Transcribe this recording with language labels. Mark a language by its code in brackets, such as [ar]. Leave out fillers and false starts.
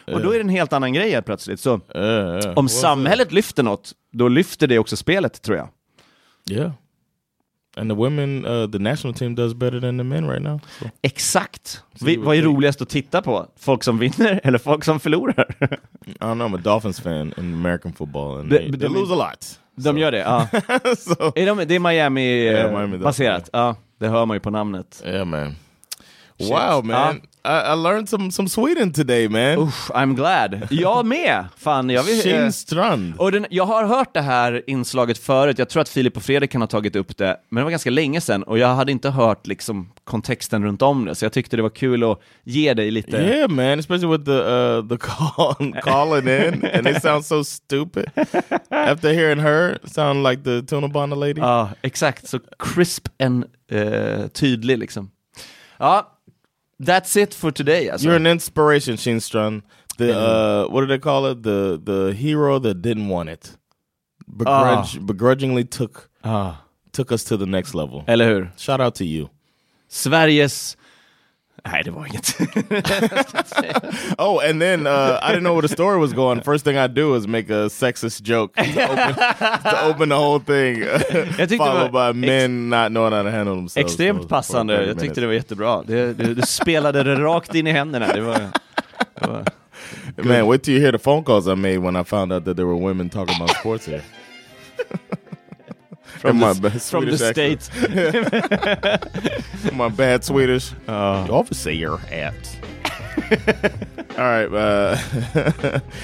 [sv] Och då är det en helt annan grej plötsligt. Så om samhället lyfter något, då lyfter det också spelet, tror jag. Ja. Yeah. [en] And the women, the national team does better than the men right now. So. [sv] Exakt. Vad är roligast att titta på? Folk som vinner eller folk som förlorar? [en] I don't know, I'm a Dolphins fan in American football. And they lose a lot. [sv] De gör det, ja. So. Det är Miami, Miami baserat. Ja, det hör man ju på namnet. [en] Yeah, man. Shit. Wow, man. I learned some Sweden today, man. Oof, I'm glad. [sv] Jag med, fan. Jag vill, Kindstrand. Och den, jag har hört det här inslaget förut. Jag tror att Filip och Fredrik kan ha tagit upp det. Men det var ganska länge sedan. Och jag hade inte hört liksom kontexten runt om det. Så jag tyckte det var kul att ge dig lite... [en] Yeah, man. Especially with the calling in. And it sounds so stupid. After hearing her sound like the tunnelbana lady. [sv] Ja, exakt. Så [en] crisp and [sv] tydlig liksom. [en] Ja, that's it for today. Alltså. You're an inspiration, Kindstrand. The what do they call it? The hero that didn't want it, begrudgingly took us to the next level. [sv] Eller hur? [en] Shout out to you. [sv] Sveriges. Nej, det var inget. [en] Oh, and then I didn't know where the story was going. First thing I do is make a sexist joke to open the whole thing. Followed by men not knowing how to handle themselves. [sv] Extremt passande. Jag tyckte det var jättebra. Du spelade det rakt in i händerna. Det var [en] man, wait till you hear the phone calls I made when I found out that there were women talking about sports here. From the States. My bad Swedish. Officer at. All right.